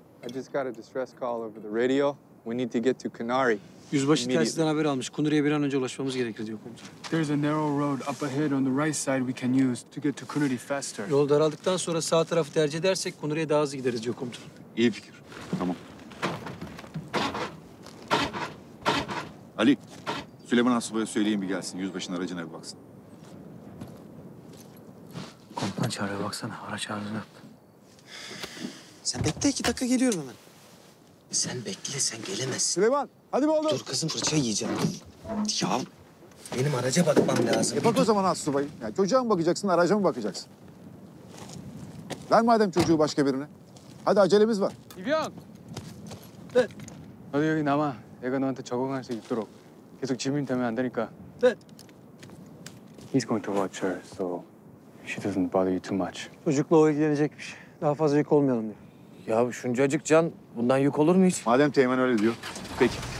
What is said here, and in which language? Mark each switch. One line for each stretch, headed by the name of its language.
English: I just got a distress call over the radio. We need to get to Canary.
Turkish: Yüzbaşı telsizden haber almış. Kunduri'ye bir an önce ulaşmamız gerekir diyor komutan.
English: There's a narrow road up ahead on the right side we can use to get to Kunduri faster.
Turkish: Yol daraldıktan sonra sağ tarafı tercih edersek Kunduri'ye daha hızlı gideriz diyor komutan. İyi fikir. Tamam. Ali, Süleyman Asubay'a söyleyin bir gelsin. Yüzbaşının aracına bir baksın. Komutan çağırıyor baksana. Araç arızası yaptı. Sen bekle, 2 dakika geliyorum hemen. Sen bekle, sen gelemezsin. Süleyman, hadi be oğlum. Dur kızım, fırça yiyeceğim. Ya benim araca bakmam lazım. Bak o zaman astsubayı. Ya çocuğa mı bakacaksın, araca mı bakacaksın? Ver madem çocuğu başka birine. Hadi acelemiz var. İvyan. Evet. Hadi ama. Ega no ante çoğun hansı yutturuk. Kesuk çimin temel andanika. Evet.
English: He's going to watch her, so she doesn't bother you too much.
Turkish: Çocukla o ilgilenecekmiş. Daha fazla yük olmayalım diye. Ya şuncacık can, bundan yük olur mu hiç? Madem Teğmen öyle diyor, peki.